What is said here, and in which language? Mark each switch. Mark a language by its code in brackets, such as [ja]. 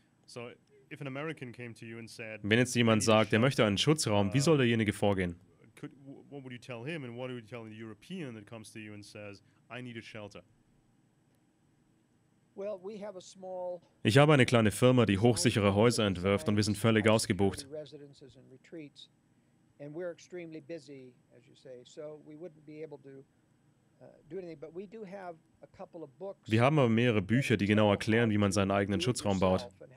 [de] Wenn jetzt jemand sagt, er möchte einen Schutzraum, wie soll derjenige vorgehen? [en] What would you tell him, and what would you tell the European that comes to you and says, I need a shelter? Well, we have a small. [de] Ich habe eine kleine Firma, die hochsichere Häuser entwirft, und wir sind völlig ausgebucht. [en] Residences and retreats, and we're extremely busy, as you say, so we wouldn't be able to do anything. But we do have a couple of books. [de] Wir haben aber mehrere Bücher, die genau erklären, wie man seinen eigenen Schutzraum baut.